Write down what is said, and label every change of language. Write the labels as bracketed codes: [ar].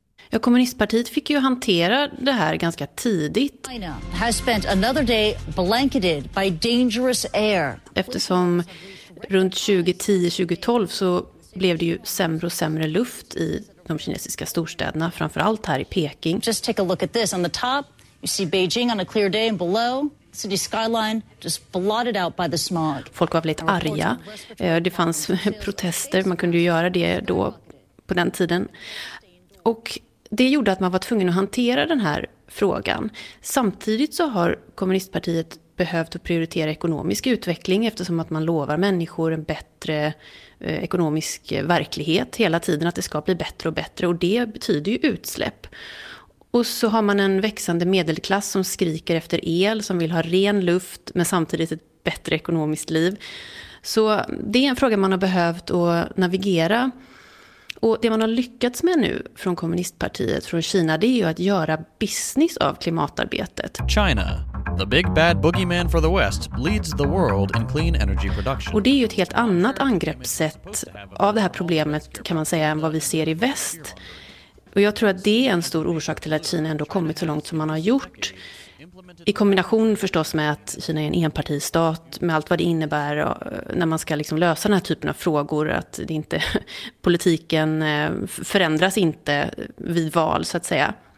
[sv] Ja, kommunistpartiet fick ju hantera det här ganska tidigt. [en] China has spent another day blanketed by dangerous air. [sv] Eftersom runt 2010-2012 så blev det ju sämre och sämre luft i de kinesiska storstäderna, framförallt här i Peking. [en] Just take a look at this on the top. You see Beijing on a clear day and below. City skyline just blotted out by the smog. [sv] Folk var väldigt arga. Det fanns protester. Man kunde ju göra det då på den tiden. Och det gjorde att man var tvungen att hantera den här frågan. Samtidigt så har kommunistpartiet behövt att prioritera ekonomisk utveckling eftersom att man lovar människor en bättre ekonomisk verklighet hela tiden, att det ska bli bättre och bättre, och det betyder ju utsläpp. Och så har man en växande medelklass som skriker efter el, som vill ha ren luft men samtidigt ett bättre ekonomiskt liv. Så det är en fråga man har behövt att navigera. Och det man har lyckats med nu från kommunistpartiet från Kina, det är ju att göra business av klimatarbetet. [en] China, the big bad boogeyman for the West, leads the world in clean energy production. [sv] Och det är ju ett helt annat angreppssätt av det här problemet, kan man säga, än vad vi ser i väst. Och jag tror att det är en stor orsak till att Kina ändå kommit så långt som man har gjort. I kombination förstås med att Kina är en enpartistat, med allt vad det innebär när man ska liksom lösa den här typen av frågor, att det inte, politiken förändras inte vid val, så att säga.